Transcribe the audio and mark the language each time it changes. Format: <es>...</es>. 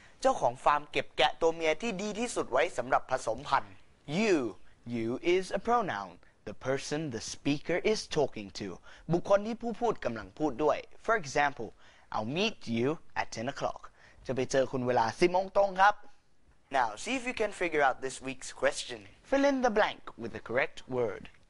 <th>เจ้าของฟาร์มเก็บแกะตัวเมียที่ดีที่สุดไว้สำหรับผสมพันธุ์</th> <en>You You is a pronoun the person the speaker is talking to</en> <th>บุคคลที่ผู้พูดกำลังพูดด้วย</th> <en>For example I'll meet you at 10 o'clock</en> <th>จะไปเจอคุณเวลา 10 โมงตรงครับ</th> <en>Now see if you can figure out this week's question Fill in the blank with the correct word</en>